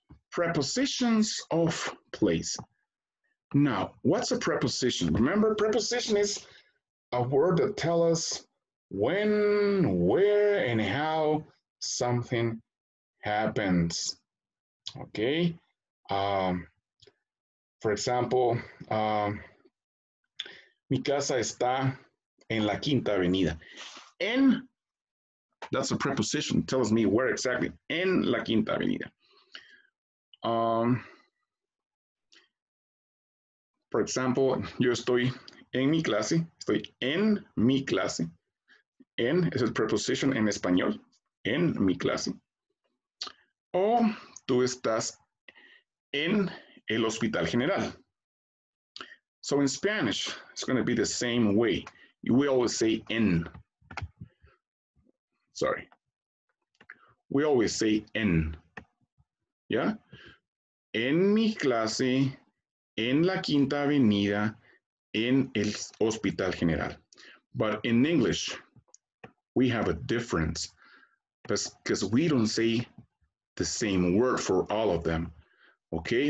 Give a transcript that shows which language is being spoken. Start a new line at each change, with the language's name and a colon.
English: Prepositions of place. Now, what's a preposition? Remember, preposition is a word that tells us when, where, and how something happens. Okay. For example,
Spanish: mi casa está en la quinta avenida.
English: En, that's a preposition, tells me where exactly.
Spanish: En la quinta avenida.
English: For example,
Spanish: yo estoy en mi clase. Estoy en mi clase.
English: En is a preposition
Spanish: en español. En mi clase. O tú estás en el hospital general.
English: So in Spanish, it's going to be the same way. We always say en. Sorry. We always say en. Yeah?
Spanish: En mi clase, en la quinta avenida, en el hospital general.
English: But in English, we have a difference because we don't say the same word for all of them, okay?